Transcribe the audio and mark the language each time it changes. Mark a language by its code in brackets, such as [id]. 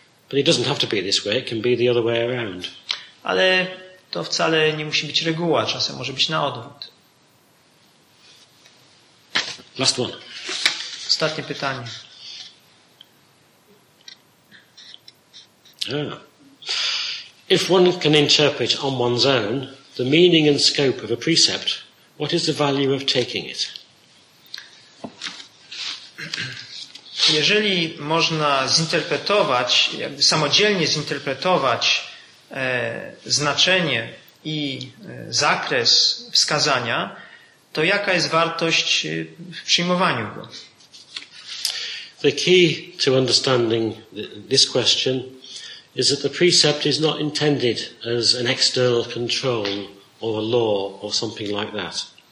[en] But it doesn't have to be this way, it can be the other way around. [pl] Ale to wcale nie musi być reguła, czasem może być na odwrót. [en] Last one. [pl] Ostatnie pytanie. [en] Yeah. If one can interpret on one's own the meaning and scope of a precept, what is the value of taking it? [pl] jeżeli można zinterpretować, jakby samodzielnie zinterpretować znaczenie i zakres wskazania, to jaka jest wartość w przyjmowaniu go? [en] The key to understanding this question is that the precept is not intended as an external control or a law or something like that.